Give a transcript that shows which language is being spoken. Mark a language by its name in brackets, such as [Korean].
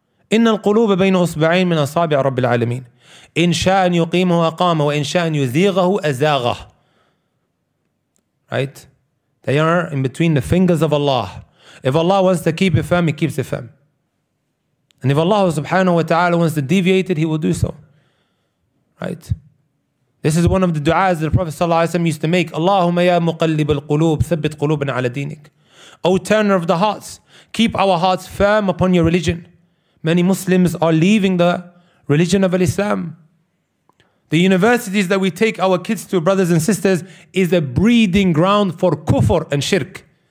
[Arabic] إِنَّ الْقُلُوبَ بَيْنَ أُصْبَعَيْنِ مِنَ أَصَابِعَ رَبِّ الْعَالَمِينَ إِنْ شَاءَ يُقِيمُهُ أَقَامَ وَإِنْ شَاءَ يُذِيغَهُ أَزَاغَهُ. [English] Right? They are in between the fingers of Allah. If Allah wants to keep it firm, He keeps it firm. And if Allah subhanahu wa ta'ala wants to deviate it, He will do so. Right? This is one of the du'as that the Prophet sallallahu alayhi wa sallam used to make. [Arabic] اللهم يا مقلب القلوب ثبت قلوبنا على دينك. [English] O turner of the hearts, keep our hearts firm upon your religion. Many Muslims are leaving the religion of Islam. The universities that we take our kids to, brothers and sisters, is a breeding ground for kufr and shirk.